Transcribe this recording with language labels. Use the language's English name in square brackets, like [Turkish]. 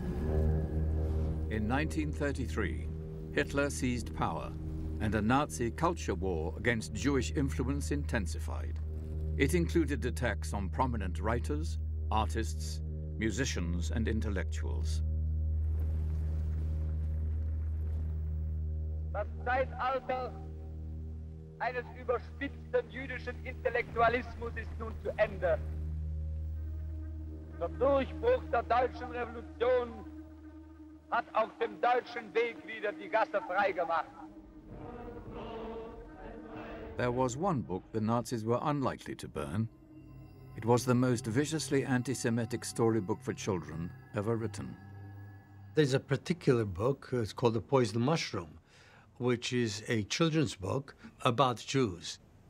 [English] In 1933, Hitler seized power and a Nazi culture war against Jewish influence intensified. It included attacks on prominent writers, artists, musicians, and intellectuals. [German] Das Zeitalter eines überspitzten jüdischen Intellektualismus ist nun zu Ende. Der Durchbruch der deutschen Revolution hat auf dem deutschen Weg wieder die Gasse freigemacht. [English] There was one book the Nazis were unlikely to burn. It was the most viciously anti-Semitic storybook for children ever written. There's a particular book, it's called The Poison Mushroom, which is a children's book about Jews.